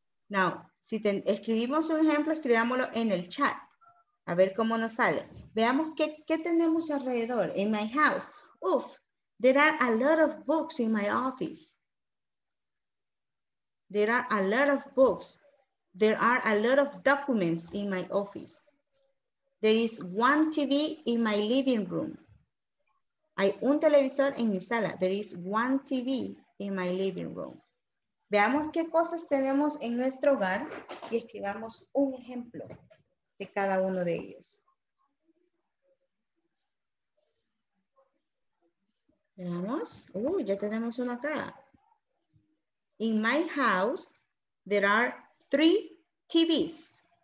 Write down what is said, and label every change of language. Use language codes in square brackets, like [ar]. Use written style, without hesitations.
[es] Now, si escribimos un ejemplo, escribámoslo en el chat. A ver cómo nos sale. Veamos qué tenemos alrededor. [en] In my house. Uf, there are a lot of books in my office. There are a lot of books. There are a lot of documents in my office. There is one TV in my living room. [es] Hay un televisor en mi sala. [en] There is one TV in my living room. [es] Veamos qué cosas tenemos en nuestro hogar y escribamos un ejemplo de cada uno de ellos. Veamos. Ya tenemos uno acá. [en] In my house, there are three TVs.